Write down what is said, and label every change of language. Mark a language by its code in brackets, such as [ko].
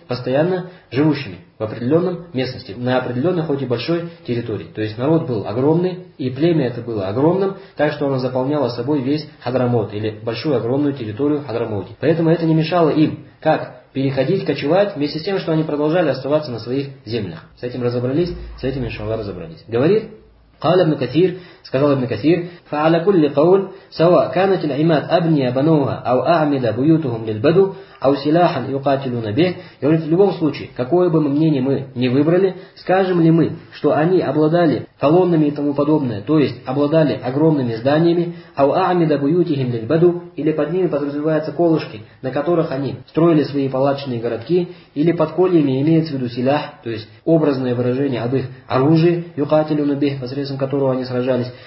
[ru] Постоянно живущими. В определенном местности, на определенной, хоть и большой территории. То есть народ был огромный, и племя это было огромным, так что оно заполняло собой весь Хадрамаут, или большую огромную территорию Хадрамаути. Поэтому это не мешало им, как переходить, кочевать, вместе с тем, что они продолжали оставаться на своих землях. С этим разобрались, с этим иншаллах разобрались. Говорит, [ar] قَالَ ابْنُ كَثِيرٍ [ru] сказал [ar] ابن كثير فَعَلَى كُلِّ قَوْلٍ سَوَا كَانَتْ الْعِمَادُ أَبْنِيَ بَنُوهَا أَوْ أَعْمِدَ بُيُوتُهُمْ لِلْبَدُوِ أَوْ سِلَاحًا يُقَاتِلُونَ بِهِ. [ru] Говорит, в любом случае, какое бы мнение мы не выбрали, скажем ли мы, что они обладали колоннами и тому подобное, то есть обладали огромными зданиями, [ar] أَوْ أَعْمِدَ بُيُوتُهُمْ لِلْبَدُوِ, [ru] или под ними подразумеваются колышки, на которых они строили свои палаточные городки, или под кольями имеется в виду силах, то есть образное выражение об их оружии, [ar] يُقَاتِلُونَ بِهِ, [ru] посредством которого они сражались.